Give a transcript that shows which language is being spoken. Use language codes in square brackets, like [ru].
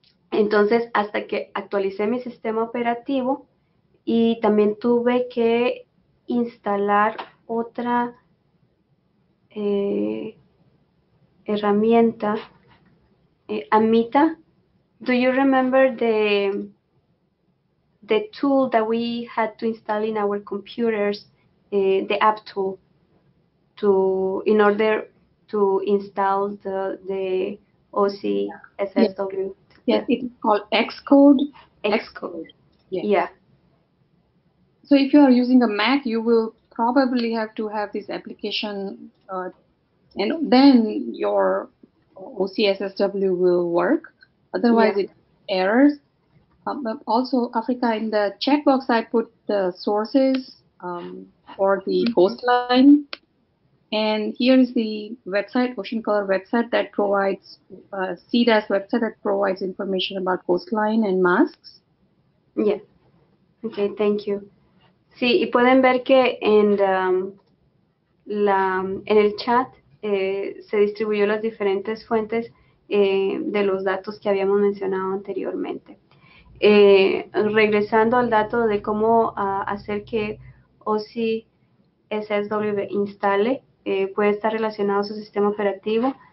[es] Entonces, hasta que actualicé mi sistema operativo y también tuve que instalar otra herramienta, Amita. [en] Do you remember the tool that we had to install in our computers, the app tool, to in order to install the OCSSW? Yes, it is called Xcode. Xcode. Yes. So if you are using a Mac, you will probably have to have this application, and then your OCSSW will work. Otherwise, it errors. But also, Africa, in the checkbox, I put the sources for the coastline. And here is the website, Ocean Color website, that provides CDAS website that provides information about coastline and masks. Okay, thank you. [es] Sí, y pueden ver que en el chat se distribuyó las diferentes fuentes de los datos que habíamos mencionado anteriormente. Regresando al dato de cómo hacer que OCSSW instale, puede estar relacionado a su sistema operativo.